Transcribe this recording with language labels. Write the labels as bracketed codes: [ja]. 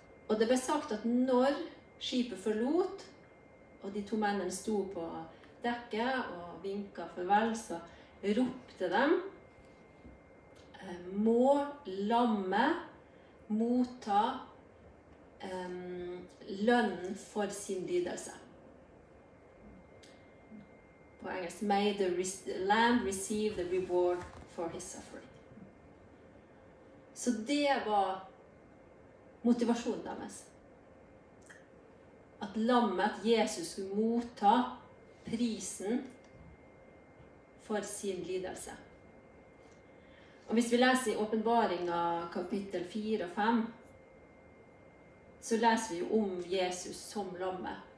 [no] Og det ble sagt at når skipet forlot, og de to mennene sto på dekket og vinket farvel, så ropte de, må lamme motta lønnen for sin lidelse. På engelsk, [en] may the lamb receive the reward for his suffering. [no] Så det var motivasjonen deres. At lammet Jesus skulle motta prisen for sin lidelse. Og hvis vi leser i Åpenbaringen kapittel 4 og 5, så leser vi om Jesus som lamme.